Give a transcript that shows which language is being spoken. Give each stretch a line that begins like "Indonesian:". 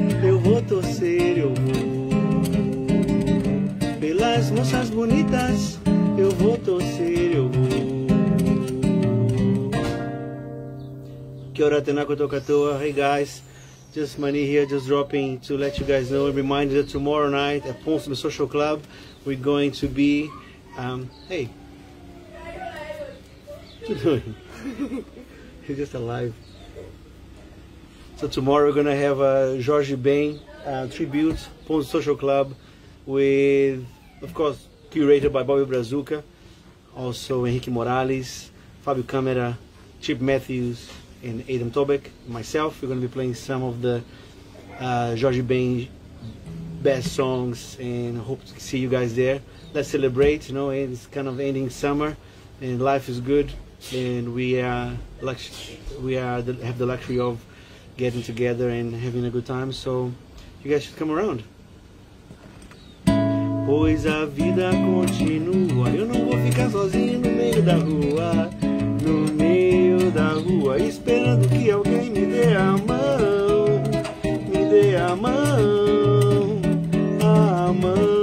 Portuguese: Eu vou torcer, eu vou. Pelas moças bonitas, eu vou torcer, eu vou. Que hora tenaco tocatoa.
English: Hey guys, just money here, just dropping to let you guys know. Remind you that tomorrow night at Ponce Social Club, we're going to be. Hey. What are you doing? You're just alive. So tomorrow we're going to have a Jorge Ben tribute, Ponce Social Club, with, of course, curated by Bobby Brazuca, also Henrique Morales, Fabio Câmara, Chip Matthews, and Adam Tobek, myself. We're going to be playing some of the Jorge Ben best songs, and hope to see you guys there. Let's celebrate, you know, it's kind of ending summer, and life is good, and we have the luxury of getting together and having a good time, so you guys should come around.
Portuguese: Pois a vida continua, eu não vou ficar sozinho no meio da rua, no meio da rua, esperando que alguém me dê a mão, me dê a mão, a mão.